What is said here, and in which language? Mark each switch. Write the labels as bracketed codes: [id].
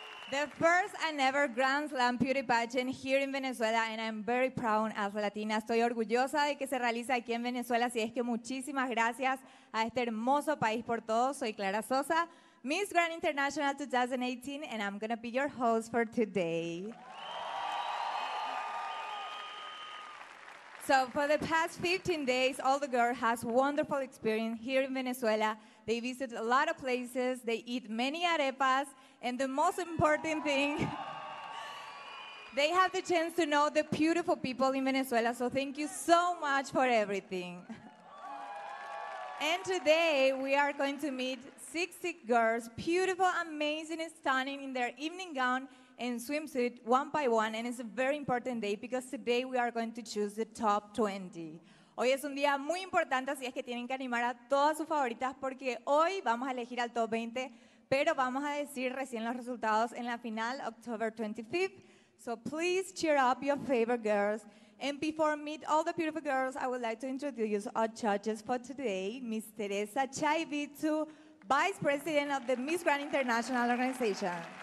[en] The first and ever Grand Slam Beauty Pageant here in Venezuela, and I'm very proud as Latina. [es] Estoy orgullosa de que se realice aquí en Venezuela, así es que muchísimas gracias a este hermoso país por todo. Soy Clara Sosa, [en] Miss Grand International 2018, and I'm gonna be your host for today. So for the past 15 days, all the girls has wonderful experience here in Venezuela. They visit a lot of places, they eat many arepas, and the most important thing, they have the chance to know the beautiful people in Venezuela, so thank you so much for everything. And today, we are going to meet 60 girls, beautiful, amazing, and stunning in their evening gown and swimsuit, one by one, and it's a very important day because today we are going to choose the top 20. [es] Hoy es un día muy importante, así es que tienen que animar a todas sus favoritas porque hoy vamos a elegir al top 20, pero vamos a decir recién los resultados en la final, [en] October 25th. So please cheer up your favorite girls. And before meet all the beautiful girls, I would like to introduce our judges for today, Miss Teresa Chaivitu, Vice President of the Miss Grand International Organization.